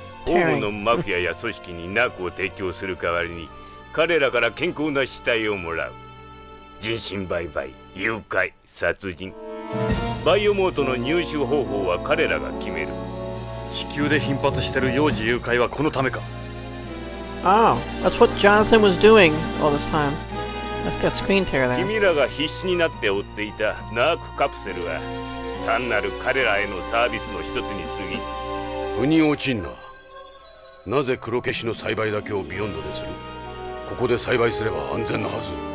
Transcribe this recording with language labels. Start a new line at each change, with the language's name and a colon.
Japanese: オウムのマフィアや組織にナークを提供する代わりに彼らから健康な死体をもらう。人身売買、誘拐、殺人。バイオモートの入手方法は彼らが決める。地球で頻発してる幼児誘拐はこのためか。
English: Oh, that's what Jonathan was doing all this time. Let's get a screen tear there.
Japanese: 君らが必死になって追っていたナークカプセルは単なる彼らへのサービスの一つに過ぎ。腑に落ちんな。なぜ黒消しの栽培だけをビヨンドでする？ここで栽培すれば安全なはず。